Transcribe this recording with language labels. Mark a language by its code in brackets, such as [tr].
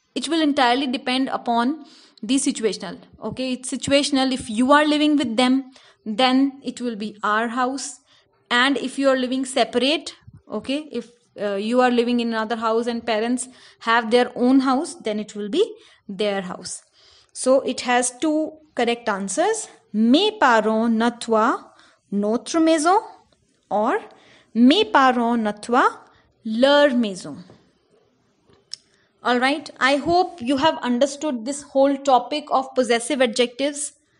[en] It will entirely depend upon the situational. Okay. It's situational. If you are living with them, then it will be our house. And if you are living separate, okay, if you are living in another house and parents have their own house, then it will be their house. So it has two correct answers. [fr] Mes parents nettoient notre maison, or mes parents nettoient leur maison. [en] Alright, I hope you have understood this whole topic of possessive adjectives.